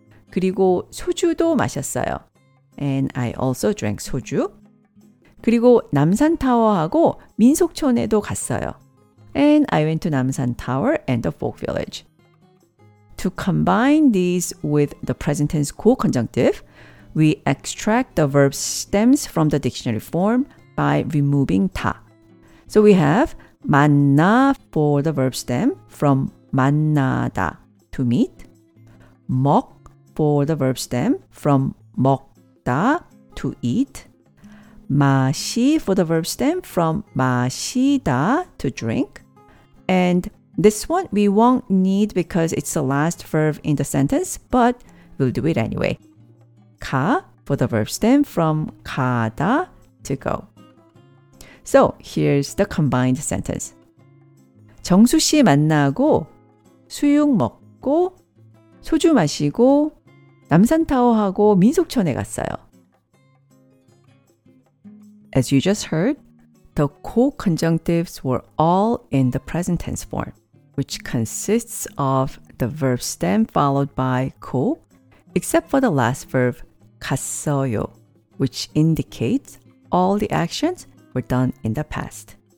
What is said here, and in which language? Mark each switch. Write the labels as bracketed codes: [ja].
[ko] 그리고 소주도 마셨어요. [en] And I also drank 소주. [ko] 그리고 남산타워하고 민속촌에도 갔어요. [en] And I went to Namsan Tower and the Folk Village. To combine these with the present tense co-conjunctive, we extract the verb stems from the dictionary form by removing 다. So we have 만나 for the verb stem from 만나다, to meet. 먹 for the verb stem from 먹다, to eat. 마시 for the verb stem from 마시다, to drink. And this one we won't need because it's the last verb in the sentence, but we'll do it anyway. 가 for the verb stem from 가다, to go. So here's the combined sentence. [ko] 정수 씨 만나고 수육 먹고 소주 마시고 남산타워하고 민속촌에 갔어요. [en] As you just heard, the co-conjunctives were all in the present tense form, which consists of the verb stem followed by 고, except for the last verb 갔어요, which indicates all the actions were done in the past.